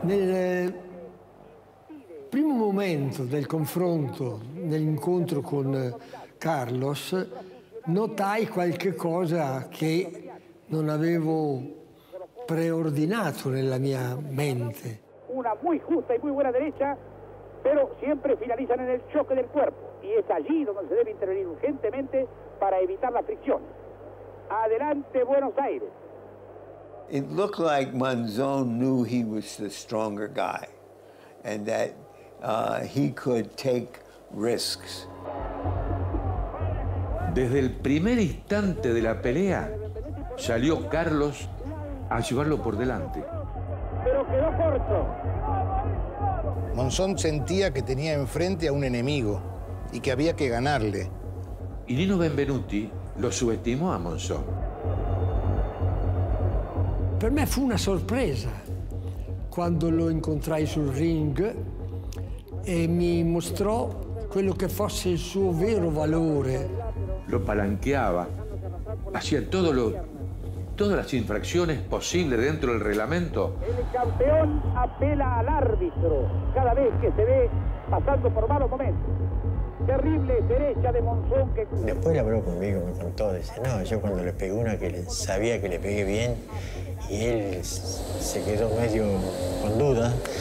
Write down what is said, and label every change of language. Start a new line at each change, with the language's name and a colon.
Italian: Nel primo momento del confronto, dell'incontro con Carlos, notai qualche cosa che non avevo preordinato nella mia mente.
Spanish: Una muy justa y muy buena derecha, pero siempre finalizan en el choque del cuerpo. Y es allí donde se debe intervenir urgentemente para evitar la fricción. Adelante, Buenos Aires.
English: It looked like Monzón knew he was the stronger guy and that he could take risks.
Spanish: Desde el primer instante de la pelea, salió Carlos a llevarlo por delante. Pero quedó corto. Monzón sentía que tenía enfrente a un enemigo y que había que ganarle. Y Nino Benvenuti lo subestimó a Monzón.
Italian: Per me fu una sorpresa quando lo incontrai sul ring e mi mostrò quello che fosse il suo vero valore.
Spanish: Lo palanqueava, hacía todas las infracciones posibles dentro del reglamento. El campeón apela al árbitro cada vez que se ve pasando por malos momentos. Terrible derecha de Monzón que... Después habló conmigo, me contó, dice, no, yo cuando le pegué una que sabía que le pegué bien, y él se quedó medio con duda.